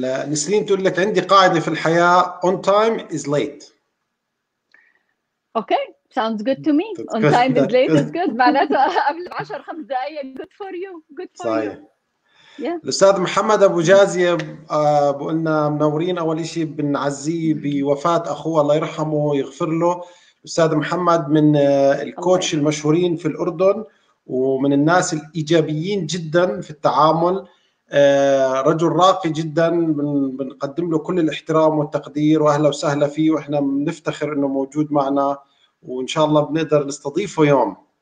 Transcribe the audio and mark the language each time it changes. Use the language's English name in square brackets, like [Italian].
[Arabic] نسرين تقول لك عندي قاعدة في الحياة، [English] on time is late. Okay, sounds good to me. On time is late is good، [Arabic] معناته قبل 10 5 دقائق. [English] good for you، good for you. [Arabic] صحيح. [English] yeah. [Arabic] الأستاذ محمد أبو جازية بقول لنا منورين، أول إشي بنعزيه بوفاة أخوه الله يرحمه ويغفر له. الأستاذ محمد من الله الكوتش يرحمه. المشهورين في الأردن، ومن الناس الإيجابيين جدا في التعامل، رجل راقي جدا، بنقدم له كل الاحترام والتقدير، وأهلا وسهلا فيه، وإحنا بنفتخر إنه موجود معنا، وإن شاء الله بنقدر نستضيفه يوم.